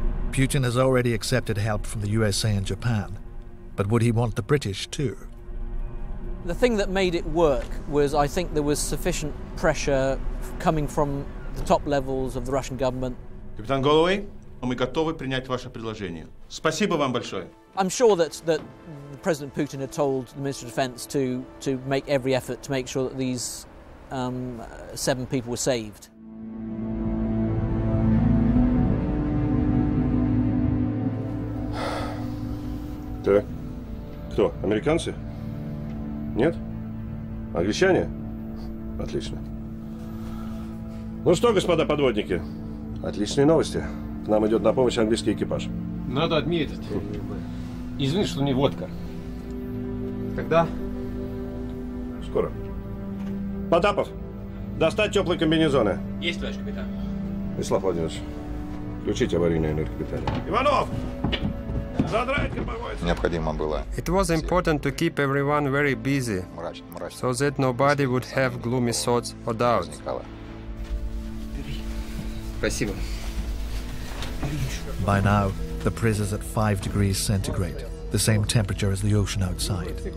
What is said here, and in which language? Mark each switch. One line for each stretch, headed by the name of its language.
English: Putin has already accepted help from the USA and Japan, but would he want the British too? The thing that made it work was I think there was sufficient pressure coming from the top levels of the Russian government.
Russian: Капитан Головой, мы готовы принять ваше предложение. Спасибо вам большое.
English: I'm sure that President Putin had told the Minister of Defence to make every effort to make sure that these seven people were saved.
Russian: Так. Кто? Американцы? Нет? Англичане? Отлично. Ну что, господа подводники, отличные новости. К нам идет на помощь английский экипаж. Надо отметить. Извини, что не водка. Когда? Скоро. Потапов, Достать теплые комбинезоны. Есть, товарищ капитан. Вячеслав Владимирович, включить аварийное энергопитание. Иванов!
English: It was important to keep everyone very busy, so that nobody would have gloomy thoughts or doubts. By now, the Priz is at 5 degrees centigrade, the same temperature as the ocean outside.